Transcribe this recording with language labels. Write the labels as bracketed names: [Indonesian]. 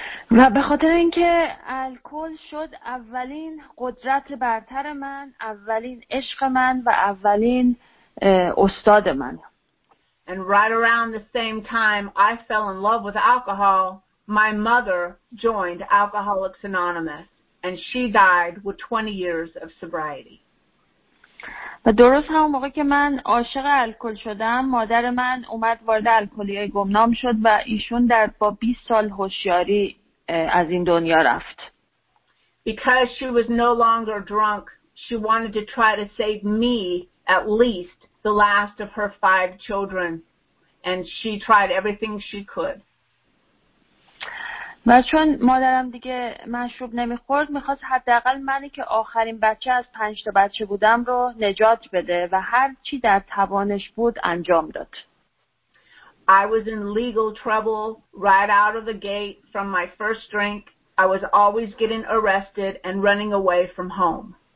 [Persian] و به خاطر اینکه الکل شد اولین قدرت برتر من، اولین عشق من و اولین استاد من. [English] And right around the same time I fell in love with alcohol, my mother joined Alcoholics Anonymous and she died with 20 years of sobriety. [Persian] و درست همون موقع که من عاشق الکل شدم، مادر من اومد وارد الکلی گمنام شد و ایشون در با 20 سال هوشیاری از این دنیا رفت. [English] Because she was no longer drunk, she wanted to try to save me, at least the last of her 5 children, and she tried everything she could. [Persian] و چون مادرم دیگه مشروب نمیخورد میخواست حداقل منی که آخرین بچه از 5 تا بچه بودم رو نجات بده و هر چی در توانش بود انجام داد. [English] I was in legal trouble right out of the gate from my first drink. I was always getting arrested and running away from home.